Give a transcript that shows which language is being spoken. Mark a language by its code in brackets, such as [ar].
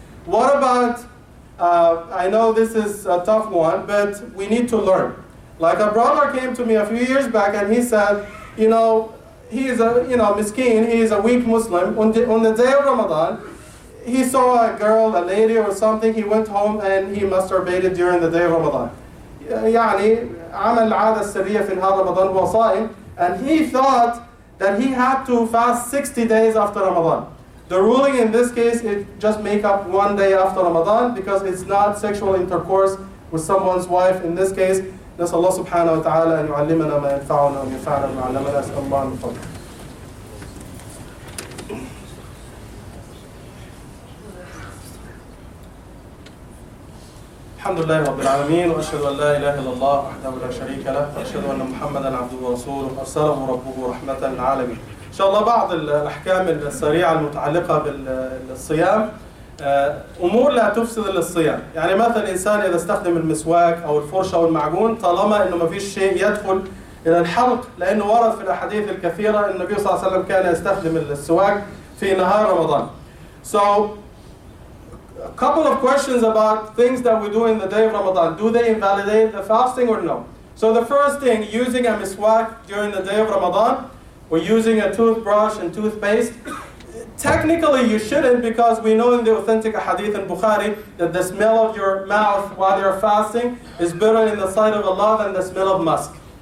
[en] What about, I know this is a tough one, but we need to learn. Like a brother came to me a few years back and he said, you know, he is a, you know, miskeen, he is a weak Muslim. On the day of Ramadan, he saw a girl, a lady or something, he went home and he masturbated during the day of Ramadan. [ar] يعني عمل العادة السرية في نهار رمضان وهو صائم. [en] And he thought that he had to fast 60 days after Ramadan. The ruling in this case, it just make up one day after Ramadan because it's not sexual intercourse with someone's wife in this case. [ar] نسأل الله سبحانه وتعالى أن يعلمنا ما ينفعنا وأن ينفعنا ما علمنا أسأل الله من فضله. الحمد لله رب العالمين وأشهد أن لا إله إلا الله وحده لا شريك له وأشهد أن محمدا عبده ورسوله أرسله ربه رحمة للعالمين. إن شاء الله بعض الأحكام السريعة المتعلقة بالصيام أمور لا تفسد للصيام. يعني مثلا الإنسان إذا استخدم المسواك أو الفرشة أو المعجون طالما أنه ما فيش شيء يدخل إلى الحلق، لأنه ورد في الأحاديث الكثيرة أن النبي صلى الله عليه وسلم كان يستخدم السواك في نهار رمضان. [en] So a couple of questions about things that we do in the day of Ramadan. Do they invalidate the fasting or no? So the first thing, using a miswak during the day of Ramadan, or using a toothbrush and toothpaste, technically you shouldn't, because we know in the authentic hadith in Bukhari that the smell of your mouth while you're fasting is better in the sight of Allah than the smell of musk.